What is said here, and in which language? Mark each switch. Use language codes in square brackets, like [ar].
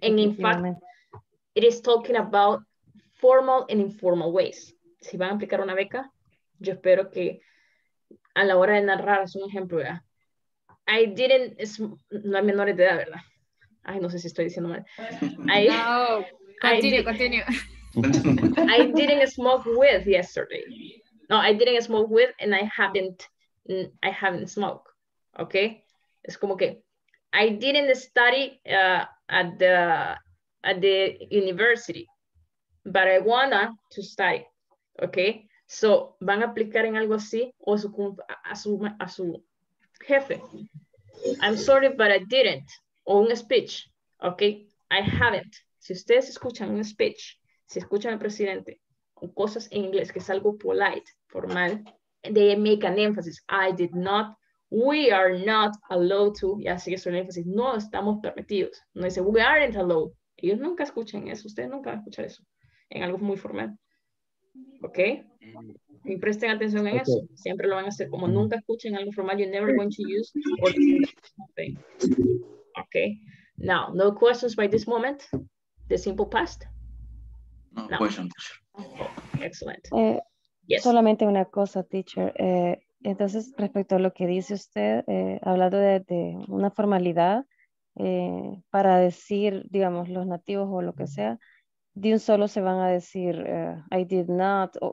[en] And in fact, it is talking about formal and informal ways. [es] Si van a aplicar una beca, yo espero que a la hora de narrar, es un ejemplo, ¿verdad? [en] I didn't, [es] es, no es menores de edad, ¿verdad? Ay, no sé si estoy diciendo mal. [en] Continue. I didn't smoke weed yesterday. No, I didn't smoke weed and I haven't smoked. Okay? [es] Es como que, [en] I didn't study at the university, but I wanna to study. Okay? [es] So, van a aplicar en algo así o a su jefe. [en] I'm sorry, but I didn't. [es] O un speech, [en] okay? I haven't. [es] Si ustedes escuchan un speech, si escuchan al presidente, o cosas en inglés, que es algo polite, formal, [en] they make an emphasis. I did not. We are not allowed to. [es] Ya sé que es un énfasis. No estamos permitidos. No dice, [en] we aren't allowed. [es] Ellos nunca escuchan eso. Ustedes nunca van a escuchar eso en algo muy formal. Ok, y presten atención en okay. Eso, siempre lo van a hacer, como nunca escuchen algo formal, [en] you're never going to use or something. Ok, now, no questions by this moment, the simple past? No questions. Oh, excellent. Yes. [es] Solamente una cosa, teacher, entonces respecto a lo que dice usted, hablando de una formalidad, para decir, digamos, los nativos o lo que sea, de un solo se van a decir, [en] I did not.